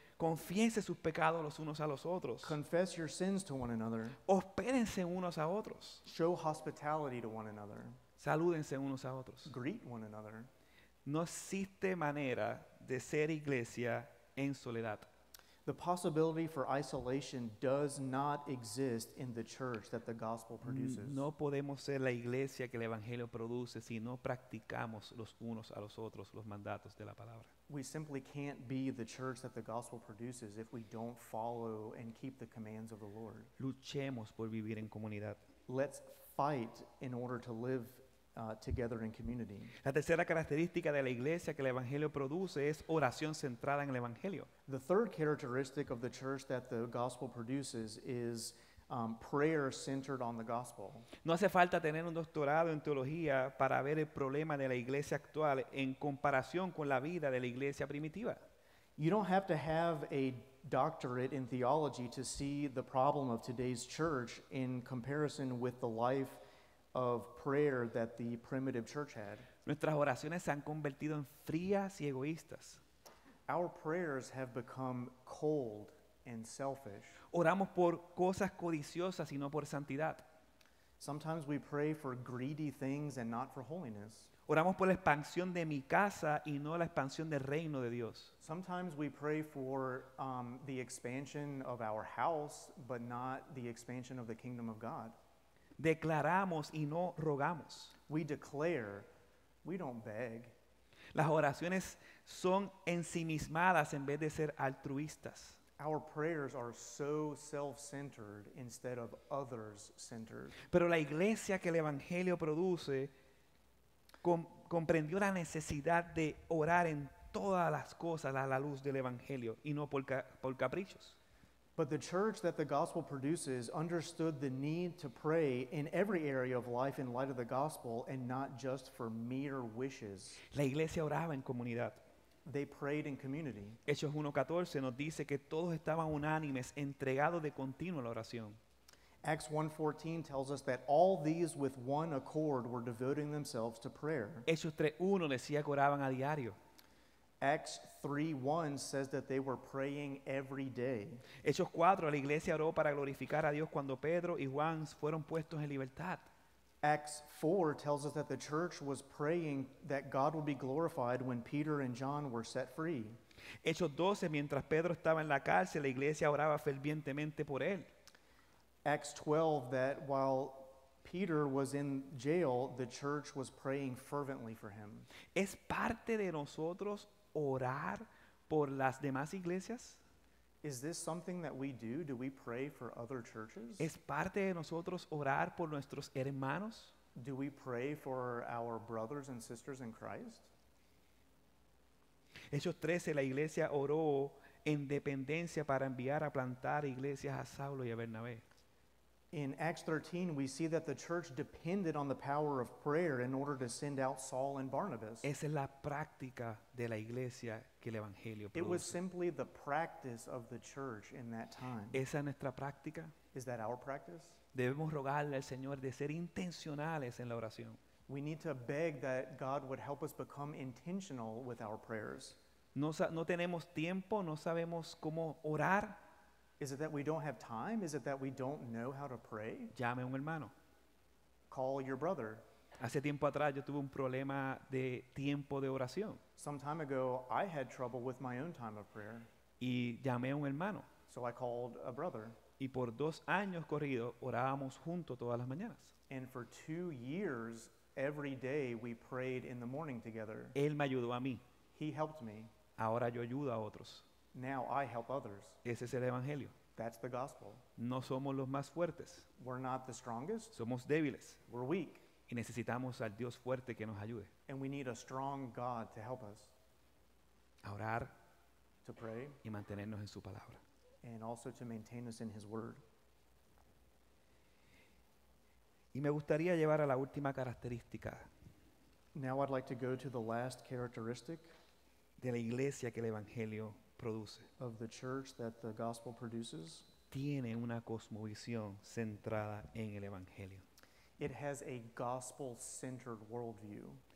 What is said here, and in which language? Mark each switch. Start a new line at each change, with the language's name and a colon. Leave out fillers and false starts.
English: Confiese sus pecados los unos a los otros.
Spanish: Confess your sins to one another.
English: Hospédense unos a otros.
Spanish: Show hospitality to one another.
English: Salúdense unos a otros.
Spanish: Greet one another.
English: No existe manera de ser iglesia en soledad.
Spanish: The possibility for isolation does not exist in the church that the gospel produces.
English: No podemos ser la iglesia que el evangelio produce si no practicamos los unos a los otros los mandatos de la palabra.
Spanish: We simply can't be the church that the gospel produces if we don't follow and keep the commands of the Lord.
English: Luchemos por vivir en comunidad.
Spanish: Let's fight in order to live together in community.
English: La tercera característica de la iglesia que el evangelio produce es oración centrada en el evangelio.
Spanish: The third characteristic of the church that the gospel produces is prayer centered on the gospel.
English: No hace falta tener un doctorado en teología para ver el problema de la iglesia actual en comparación con la vida de la iglesia primitiva.
Spanish: You don't have to have a doctorate in theology to see the problem of today's church in comparison with the life of prayer that the primitive church had.
English: Nuestras oraciones se han convertido en frías y egoístas.
Spanish: Our prayers have become cold and selfish.
English: Oramos por cosas codiciosas y no por santidad.
Spanish: Sometimes we pray for greedy things and not for holiness.
English: Oramos por la expansión de mi casa y no la expansión del reino de Dios.
Spanish: Sometimes we pray for the expansion of our house but not the expansion of the kingdom of God.
English: Declaramos y no rogamos.
Spanish: We declare, we don't beg.
English: Las oraciones son ensimismadas en vez de ser altruistas.
Spanish: Our prayers are so self-centered instead of others-centered.
English: Pero la iglesia que el evangelio produce comprendió la necesidad de orar en todas las cosas a la luz del evangelio y no por caprichos.
Spanish: But the church that the gospel produces understood the need to pray in every area of life in light of the gospel and not just for mere wishes.
English: La iglesia oraba en comunidad.
Spanish: They prayed in community.
English: Hechos 1:14 nos dice que todos estaban unánimes, entregados de continuo a la oración.
Spanish: Acts 1:14 tells us that all these with one accord were devoting themselves to prayer.
English: Hechos 3:1 decía que oraban a diario.
Spanish: Acts 3:1 says that they were praying every day.
English: Hechos 4, la iglesia oró para glorificar a Dios cuando Pedro y Juan fueron puestos en libertad.
Spanish: Acts 4 tells us that the church was praying that God would be glorified when Peter and John were set free.
English: Hechos 12, mientras Pedro estaba en la cárcel, la iglesia oraba fervientemente por él.
Spanish: Acts 12, that while Peter was in jail, the church was praying fervently for him.
English: ¿Es parte de nosotros orar por las demás iglesias?
Spanish: Is this something that we do? Do we pray for other churches?
English: ¿Es parte de nosotros orar por nuestros hermanos?
Spanish: Do we pray for our brothers and sisters in Christ?
English: Hechos 13, la iglesia oró en dependencia para enviar a plantar iglesias a Saulo y a Bernabé.
Spanish: In Acts 13, we see that the church depended on the power of prayer in order to send out Saul and Barnabas.
English: Esa es la práctica de la iglesia que el evangelio produce.
Spanish: It was simply the practice of the church in that time.
English: Esa es nuestra práctica.
Spanish: Is that our practice?
English: Debemos rogarle al Señor de ser intencionales en la oración.
Spanish: We need to beg that God would help us become intentional with our prayers.
English: No tenemos tiempo, no sabemos cómo orar.
Spanish: Is it that we don't have time?
English: Is it that we don't know how to pray?
Spanish: Llame a un hermano.
English: Call your brother.
Spanish: Hace tiempo atrás yo tuve un problema de tiempo de oración.
English: Some time ago I had trouble with my own time of prayer.
Spanish: Y llamé a un hermano.
English: So I called a brother.
Spanish: Y por 2 años corridos orábamos juntos todas las mañanas.
English: And for 2 years, every day we prayed in the morning together.
Spanish: Él me ayudó a mí.
English: He helped me.
Spanish: Ahora yo ayudo a otros.
English: Now I help others.
Spanish: Ese es el evangelio.
English: That's the gospel.
Spanish: No somos los más fuertes.
English: We're not the strongest.
Spanish: Somos débiles.
English: We're weak.
Spanish: Y necesitamos al Dios fuerte que nos ayude.
English: And we need a strong God to help us.
Spanish: A orar.
English: To pray.
Spanish: Y mantenernos en su palabra.
English: And also to maintain us in his word.
Spanish: Y me gustaría llevar a la última característica.
English: Now I'd like to go to the last characteristic.
Spanish: De la iglesia que el evangelio produce.
English: Of the church that the gospel produces.
Spanish: Tiene una cosmovisión centrada en el evangelio.
English: It has a gospel-centered worldview.